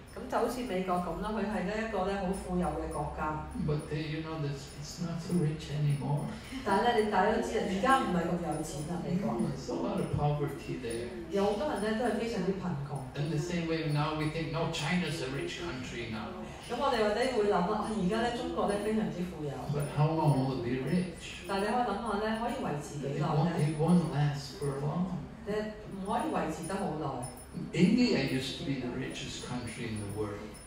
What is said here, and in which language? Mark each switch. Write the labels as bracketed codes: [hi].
[yue] 就好似美國咁啦，佢係咧一個咧好富有嘅國家。 [en] But you know this, it's not so rich anymore. [yue] 但係你大家都知啦，而家唔係咁有錢啦，美國。 [en] A lot of poverty there. [yue] 有好多人咧都係非常之貧窮。 [en] And the same way now we think, no, China's a rich country now. [yue] 咁我哋或者會諗啊，而家咧中國咧非常之富有。 [en] But how long will it be rich? [yue] 但你可以諗下咧，可以維持幾耐咧？ [en] It won't last for long. [yue] 你唔可以維持得好耐。 [en] India used to be the richest country in the world.